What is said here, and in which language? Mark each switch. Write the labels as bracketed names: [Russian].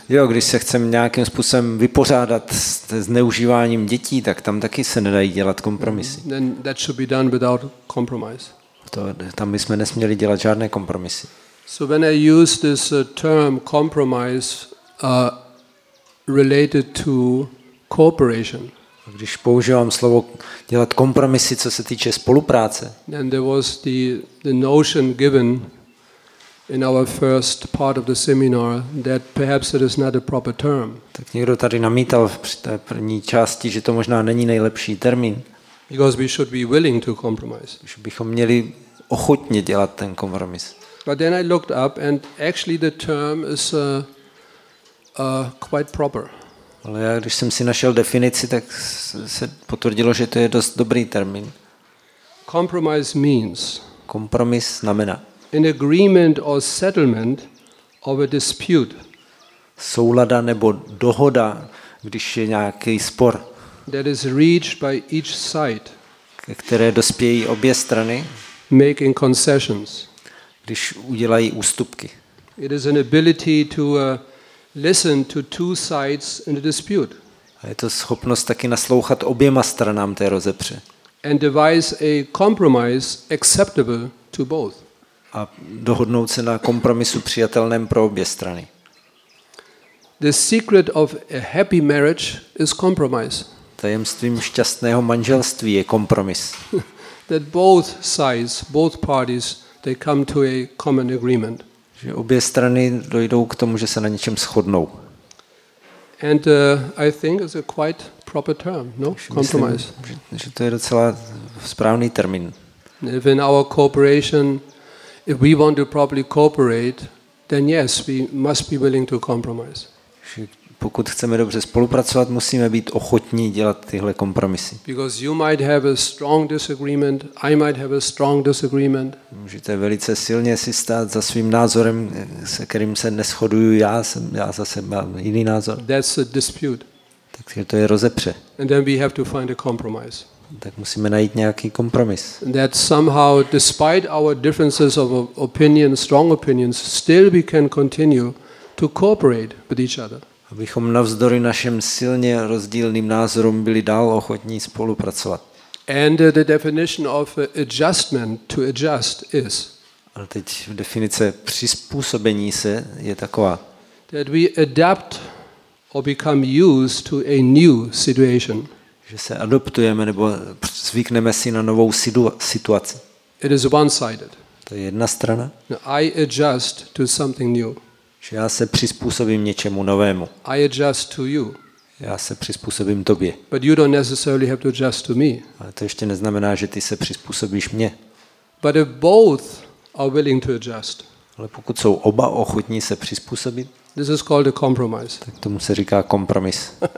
[Czech] Jo, když se chceme nějakým způsobem vypořádat se zneužíváním dětí, tak tam taky se nedají dělat kompromisy. [English] Then that should be done without compromise. [Czech] To tam bychom nesměli dělat žádné kompromisy. [English] So when I use this term compromise related to cooperation. [Czech] Když používám slovo dělat kompromisy, co se týče spolupráce. [English] Then there was the notion given in our first part of the seminar that perhaps it is not a proper term. [Czech] Tak někdo tady namítal při té první části, že to možná není nejlepší termín. [English] Because we should be willing to compromise. [Czech] Že bychom měli ochotně dělat ten kompromis. [English] But then I looked up and actually the term is quite proper. [Czech] Ale já, když jsem si našel definici, tak se potvrdilo, že to je dost dobrý termín. [English] Compromise means. [Czech] Kompromis znamená. [English] An agreement or settlement of a dispute. [Czech] Soulada nebo dohoda, když je nějaký spor. [English] That is reached by each side. [Czech] Ke které dospějí obě strany. [English] Making concessions. [Czech] Když udělají ústupky. [English] It is an ability to listen to two sides in a dispute. [Czech] A je to schopnost taky naslouchat oběma stranám té rozepře. [English] And devise a compromise acceptable to both. [Czech] A dohodnout se na kompromisu přijatelném pro obě strany. [English] The secret of a happy marriage is compromise. [Czech] Tajemstvím šťastného manželství je kompromis. [English] That both sides, both parties, they come to a common agreement. [Czech] Že obě strany dojdou k tomu, že se na něčem shodnou. [English] And I think it's a quite proper term, no? Compromise. [Czech] Myslím, že to je docela správný termín. [English] If in our cooperation, if we want to properly cooperate, then yes, we must be willing to compromise. [Czech] Že pokud chceme dobře spolupracovat, musíme být ochotní dělat tyhle kompromisy. [English] Because you might have a strong disagreement, I might have a strong disagreement. [Czech] Můžete velice silně si stát za svým názorem, se kterým se neshoduju já, jsem já zase mám jiný názor. [English] That's a dispute. [Czech] Takže to je rozepře. [English] And then we have to find a compromise. [Czech] Tak musíme najít nějaký kompromis. [English] That somehow despite our differences of opinion, strong opinions, still we can continue to cooperate with each other. [Czech] Abychom navzdory našim silně rozdílným názorům byli dál ochotní spolupracovat. [English] And the definition of adjustment to adjust is. [Czech] Ale teď definice přizpůsobení se je taková. [English] That we adapt or become used to a new situation. [Czech] Že se adoptujeme nebo zvykneme si na novou situaci. [English] It is one-sided. [Czech] To je jedna strana. [English] I adjust to something new. [Czech] Že já se přizpůsobím něčemu novému. [English] I adjust to you. [Czech] Já se přizpůsobím tobě. [English] But you don't necessarily have to adjust to me. [Czech] Ale to ještě neznamená, že ty se přizpůsobíš mně. [English] But if both are willing to adjust. [Czech] Ale pokud jsou oba ochotní se přizpůsobit. [English] This is called a compromise. [Czech] Tak tomu se říká kompromis.